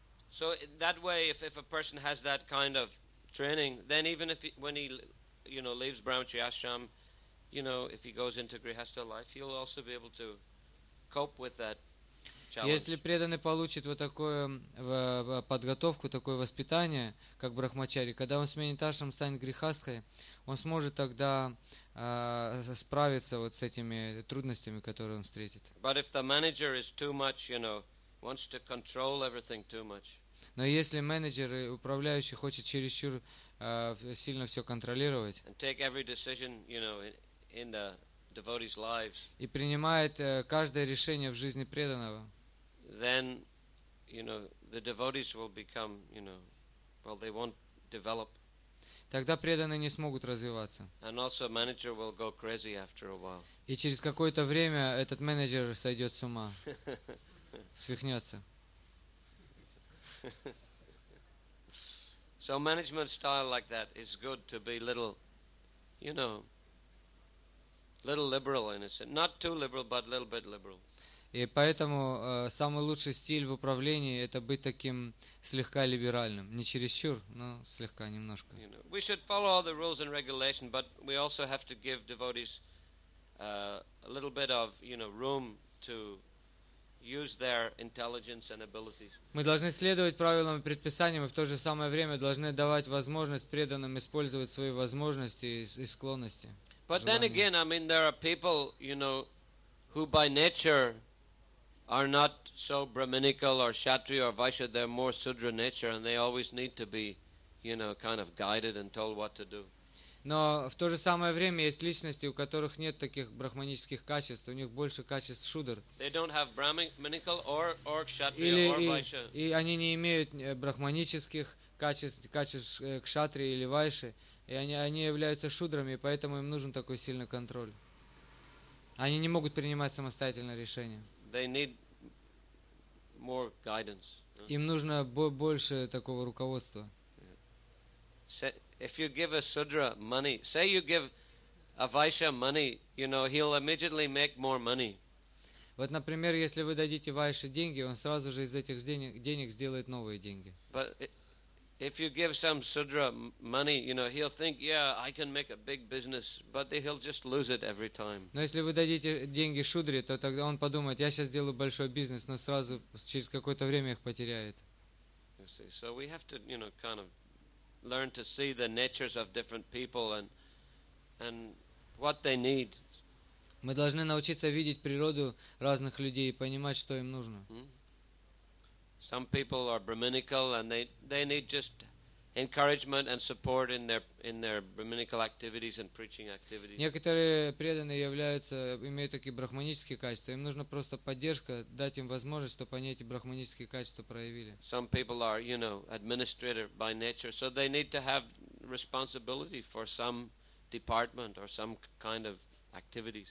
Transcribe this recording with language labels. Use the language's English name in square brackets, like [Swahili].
[English] So that way, if a person has that kind of training, then even if when he, you know, leaves Brahmacharya Ashram, you know, if he goes into grihastha life, he'll also be able to cope with that challenge. [Russian] Если преданный получит вот такую подготовку, такое воспитание, как брахмачари, когда он сменит ашрам, станет грихастхой, он сможет тогда справиться вот с этими трудностями, которые он встретит. [English] But if the manager is too much, you know, wants to control everything too much. [Russian] Но если менеджер и управляющий хочет чересчур сильно все контролировать. [English] And take every decision, you know, in the devotee's lives. [Russian] И принимает каждое решение в жизни преданного. [English] Then, you know, the devotees will become, you know, well, they won't develop. [Russian] Тогда преданные не смогут развиваться. [English] And also manager will go crazy after a while. [Russian] И через какое-то время этот менеджер сойдет с ума, свихнется. [English] So management style like that is good to be little, you know, little liberal in a sense. Not too liberal, but a little bit liberal. [Russian] И поэтому самый лучший стиль в управлении — это быть таким слегка либеральным. Не чересчур, но слегка, немножко. [English] You know, we should follow all the rules and regulations, but we also have to give devotees a little bit of, you know, room to use their intelligence and abilities. [Russian] Мы должны следовать правилам и предписаниям, и в то же самое время должны давать возможность преданным использовать свои возможности и склонности. [English] But then again, I mean, there are people, you know, who by nature are not so brahminical or kshatriya or vaishya, they're more sudra nature, and they always need to be, you know, kind of guided and told what to do. [Russian] Но в то же самое время есть личности, у которых нет таких брахманических качеств, у них больше качеств шудр. [English] They don't have brahminical or kshatriya or vaishya. [Russian] И они не имеют брахманических качеств кшатрии или вайши, и они являются шудрами, и поэтому им нужен такой сильный контроль. Они не могут принимать самостоятельное решение. [English] They need more guidance. [Russian] Им нужно больше такого руководства. [English] If you give a sudra money, say you give a vaishya money, you know, he'll immediately make more money. [Russian] Вот, например, если вы дадите вайше деньги, он сразу же из этих денег сделает новые деньги. [English] But if you give some sudra money, you know, he'll think, yeah, I can make a big business, but he'll just lose it every time. [Russian] Но если вы дадите деньги шудре, то тогда он подумает, я сейчас сделаю большой бизнес, но сразу через какое-то время их потеряет. [English] You see, so we have to, you know, kind of learn to see the natures of different people and what they need. [Russian] Мы должны научиться видеть природу разных людей и понимать, что им нужно. [English] Some people are brahminical and they need just encouragement and support in their brahminical activities and preaching activities. [Russian] Некоторые преданные имеют такие брахманические качества. Им нужно просто поддержка, дать им возможность, чтобы они эти брахманические качества проявили. [English] Some people are, you know, administrator by nature, so they need to have responsibility for some department or some kind of activities.